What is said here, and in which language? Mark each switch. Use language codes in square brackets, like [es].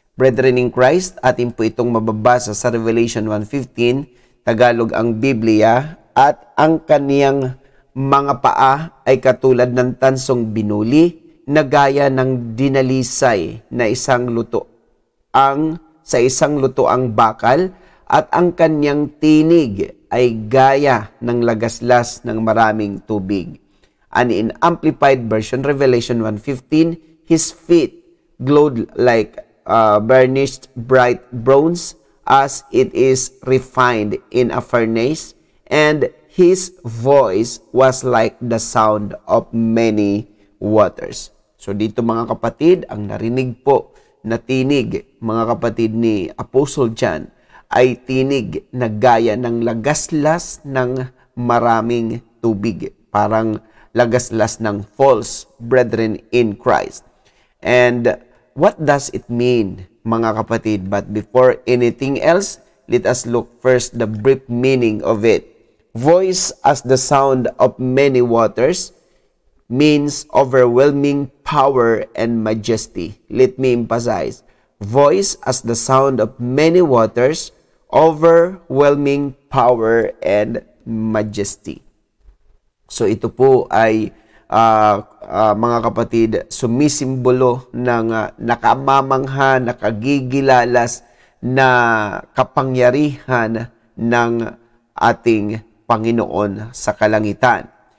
[en] Brethren in Christ, [tl] atin po itong mababasa sa Revelation 1:15, Tagalog ang Biblia, at ang kaniyang mga paa ay katulad ng tansong binuli na gaya ng dinalisay na isang luto ang sa isang luto ang bakal, at ang kaniyang tinig ay gaya ng lagaslas ng maraming tubig. [en] And in Amplified Version, Revelation 1:15, his feet glowed like burnished bright bronze as it is refined in a furnace, and his voice was like the sound of many waters. [tl] So dito mga kapatid, ang narinig po na tinig, mga kapatid ni Apostle John, ay tinig na gaya ng lagaslas ng maraming tubig. Parang lagaslas ng [en] false brethren in Christ. And what does it mean, [tl] mga kapatid? [en] But before anything else, let us look first the brief meaning of it. Voice as the sound of many waters means overwhelming power and majesty. Let me emphasize. Voice as the sound of many waters, overwhelming power and majesty. [tl] So ito po ay mga kapatid, sumisimbolo ng nakamamangha, nakagigilalas na kapangyarihan ng ating Panginoon sa kalangitan.